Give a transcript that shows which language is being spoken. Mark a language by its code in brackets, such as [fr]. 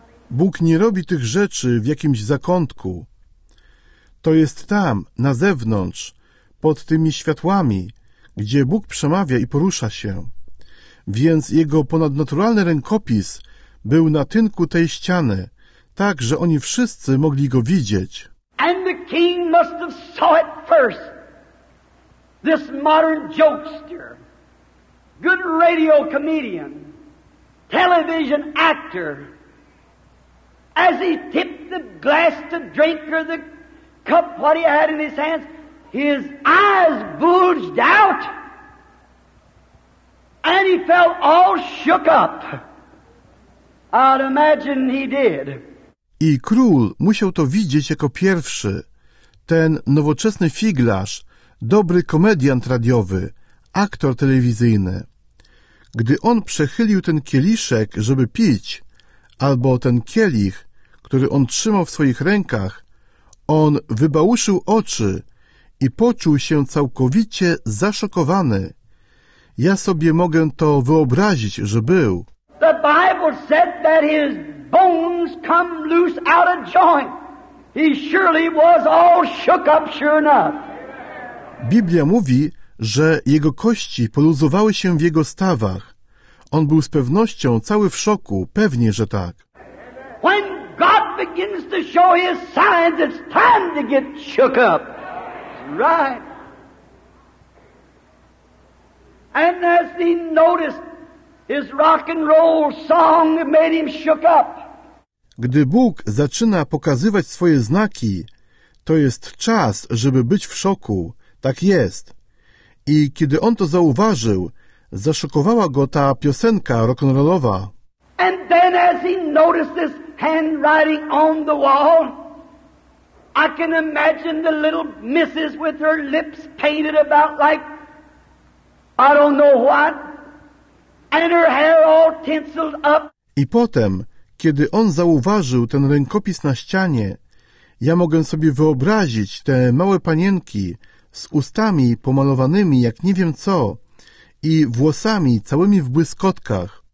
[pl] Bóg nie robi tych rzeczy w jakimś zakątku. To jest tam, na zewnątrz, pod tymi światłami, gdzie Bóg przemawia i porusza się. Więc jego ponadnaturalny rękopis był na tynku tej ściany, tak, że oni wszyscy mogli go widzieć. [en] And the king must have saw it first. This modern jokester. Good radio comedian, television actor, as he tipped the glass to drink or the cup what he had in his hands, his eyes bulged out and he felt all shook up. I'd imagine he did. [pl] I król musiał to widzieć jako pierwszy, ten nowoczesny figlarz, dobry komediant radiowy, aktor telewizyjny. Gdy on przechylił ten kieliszek, żeby pić, albo ten kielich, który on trzymał w swoich rękach, on wybałuszył oczy i poczuł się całkowicie zaszokowany. Ja sobie mogę to wyobrazić, że był. [en] The Bible said that his bones come loose out of joint. He surely was all shook up, sure enough. [pl] Biblia mówi, że jego kości poluzowały się w jego stawach. On był z pewnością cały w szoku, pewnie, że tak. [en] When God begins to show his signs, it's time to get shook up. Right. And as he noticed, his rock and roll song made him shook up. [pl] Gdy Bóg zaczyna pokazywać swoje znaki, to jest czas, żeby być w szoku. Tak jest. I kiedy on to zauważył, Zaszokowała go ta piosenka rock'n'rollowa. [en] And then as he noticed this handwriting on the wall, I can imagine the little missus with her lips painted about like I don't know what, and her hair all tinseled up. [pl] I potem, kiedy on zauważył ten rękopis na ścianie, ja mogę sobie wyobrazić te małe panienki z ustami pomalowanymi jak nie wiem co i włosami całymi w błyskotkach.